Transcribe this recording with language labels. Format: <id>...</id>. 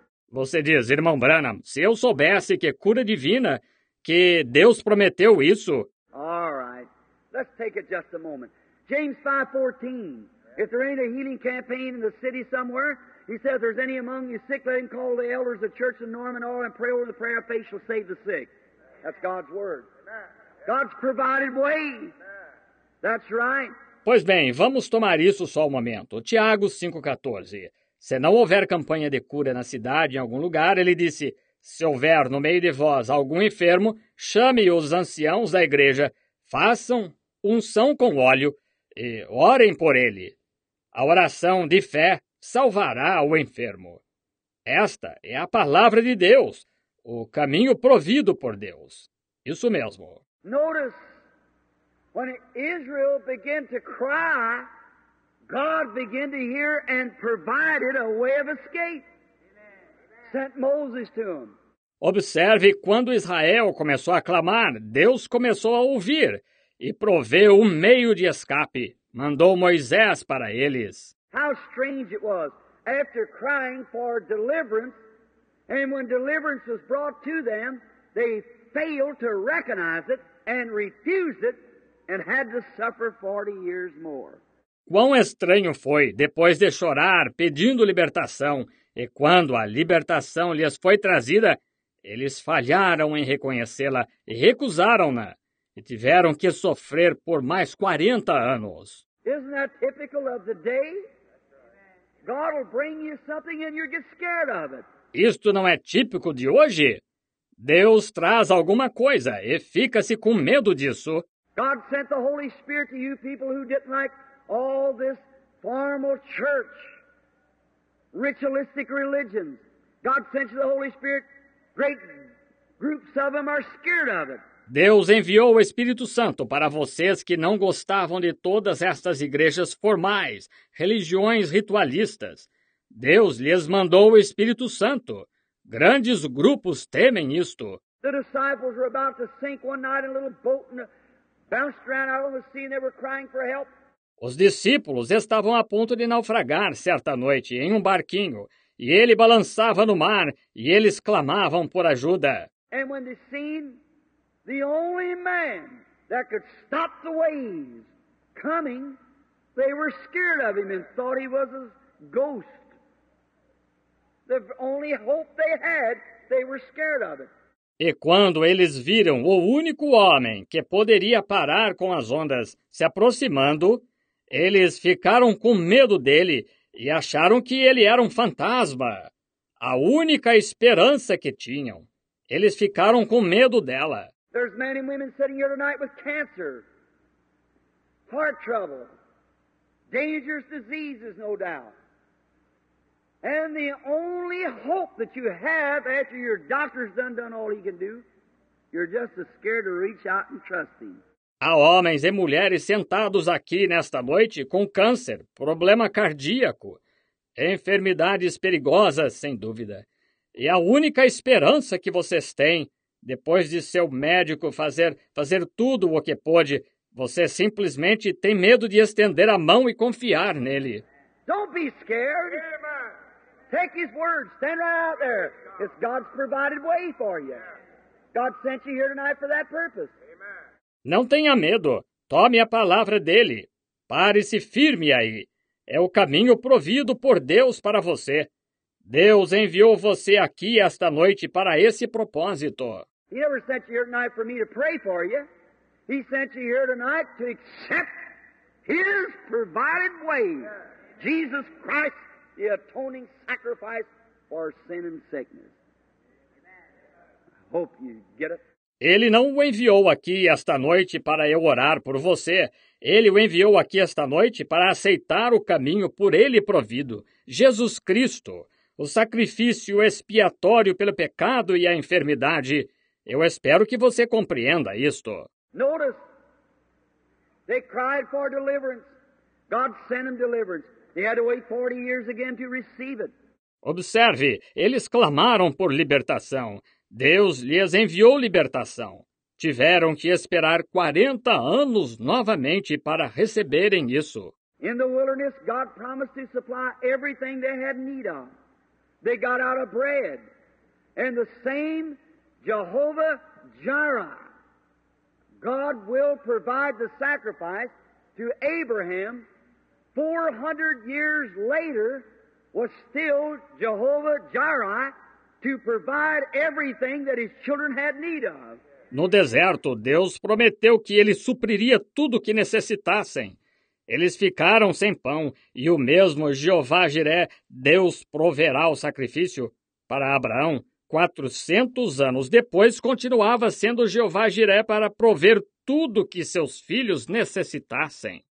<pt>Você diz, irmão Branham, se eu soubesse que cura divina, que Deus prometeu isso...</pt> <en>All right. Let's take it just a moment. James 5:14. If there ain't a healing campaign in the city somewhere... He said, if there's any among you sick, let him call the elders of the church of Norman all and pray over the prayer of faith shall save the sick. That's God's word. God's provided way. That's right.</en> <pt>Pois bem, vamos tomar isso só um momento. Tiago 5,14. Se não houver campanha de cura na cidade, em algum lugar, ele disse, se houver no meio de vós algum enfermo, chame os anciãos da igreja, façam unção com óleo e orem por ele. A oração de fé salvará o enfermo. Esta é a palavra de Deus, o caminho provido por Deus. Isso mesmo.</pt> <en>Notice, when Israel began to cry, God began to hear and provided a way of escape. Sent Moses to them.</en> <pt>Observe, quando Israel começou a clamar, Deus começou a ouvir e proveu um meio de escape. Mandou Moisés para eles.</pt> <en>How strange it was. After crying for deliverance, and when deliverance was brought to them, they failed to recognize it and refused it and had to suffer 40 years more.</en> <pt>Quão estranho foi, depois de chorar, pedindo libertação, e quando a libertação lhes foi trazida, eles falharam em reconhecê-la e recusaram-na, e tiveram que sofrer por mais 40 anos.</pt> <en>Isn't that typical of the day? God will bring you something and you get scared of it.</en> <pt>Isto não é típico de hoje? Deus traz alguma coisa e fica-se com medo disso.</pt> <en>God sent the Holy Spirit to you people who didn't like all this formal church, ritualistic religions. God sent you the Holy Spirit. Great groups of them are scared of it.</en> <pt>Deus enviou o Espírito Santo para vocês que não gostavam de todas estas igrejas formais, religiões ritualistas. Deus lhes mandou o Espírito Santo. Grandes grupos temem isto.</pt> <en>The disciples were about to sink one night in a little boat and bounced around out on the sea and they were crying for help.</en> <pt>Os discípulos estavam a ponto de naufragar certa noite em um barquinho, e ele balançava no mar, e eles clamavam por ajuda.</pt> <en>And when they seen the only man that could stop the waves coming, they were scared of him and thought he was a ghost. The only hope they had, they were scared of it.</en> <pt>E quando eles viram o único homem que poderia parar com as ondas se aproximando, eles ficaram com medo dele e acharam que ele era um fantasma, a única esperança que tinham. Eles ficaram com medo dela.</pt> <en>There's men and women sitting here tonight with cancer, heart trouble, dangerous diseases, no doubt. And the only hope that you have after your doctor's done all he can do, you're just as scared to reach out and trust him.</en> <pt>Há homens e mulheres sentados aqui nesta noite com câncer, problema cardíaco, enfermidades perigosas, sem dúvida. E a única esperança que vocês têm, depois de seu médico fazer tudo o que pode, você simplesmente tem medo de estender a mão e confiar nele.</pt> <en>Don't be scared. Take his word. Stand right out there. It's God's provided way for you. God sent you here tonight for that purpose.</en> <pt>Não tenha medo. Tome a palavra dele. Pare-se firme aí. É o caminho provido por Deus para você. Deus enviou você aqui esta noite para esse propósito.</pt> <en>He never sent you here tonight for me to pray for you. He sent you here tonight to accept his provided way. Jesus Christ, the atoning sacrifice for sin and sickness. I hope you get it.</en> <pt>Ele não o enviou aqui esta noite para eu orar por você. Ele o enviou aqui esta noite para aceitar o caminho por ele provido. Jesus Cristo, o sacrifício expiatório pelo pecado e a enfermidade. Eu espero que você compreenda isto.</pt> <en>Notice, they cried for deliverance. God sent them deliverance. They had to wait 40 years again to receive it.</en> <pt>Observe, eles clamaram por libertação. Deus lhes enviou libertação. Tiveram que esperar 40 anos novamente para receberem isso.</pt> <en>In the wilderness, God promised to supply everything they had need of. They got out of bread. And the same Jehovah Jireh, God will provide the sacrifice to Abraham 400 years later, was still Jehovah Jireh to provide everything that his children had need of.</en> <pt>No deserto, Deus prometeu que ele supriria tudo o que necessitassem. Eles ficaram sem pão, e o mesmo Jeová Jiré, Deus proverá o sacrifício para Abraão. 400 anos depois, continuava sendo Jeová Jiré para prover tudo que seus filhos necessitassem.</pt>